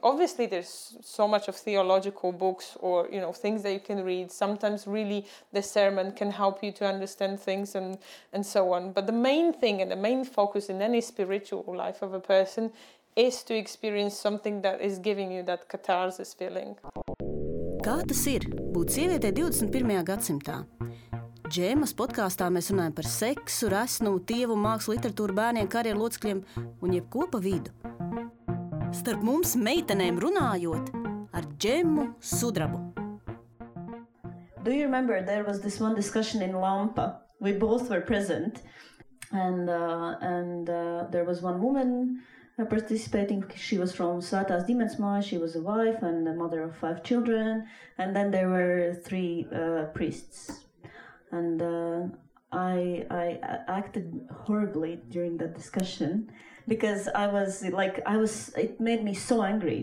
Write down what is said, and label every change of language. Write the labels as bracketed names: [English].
[English] Obviously, there's so much of theological books or, you know, things that you can read. Sometimes really the sermon can help you to understand things and so on. But the main thing and the main focus in any spiritual life of a person is to experience something that is giving you that catharsis feeling. [Latvian] Kā tas ir būt sievietē 21. Gadsimtā? Džēmas podkāstā mēs runājam par seksu, resnumu, tievu, mākslu, literatūru, bērniem, karjeru, lodzkļiem un jebkopa vidu. Starp mums meitenēm runājot ar Džēmu Sudrabu. [English] Do you remember there was this one discussion in Lampa? We both were present and there was one woman participating. She was from Svētās Dimens Māja. She was a wife and a mother of five children. And then there were three priests. And I acted horribly during that discussion because I was like, it made me so angry.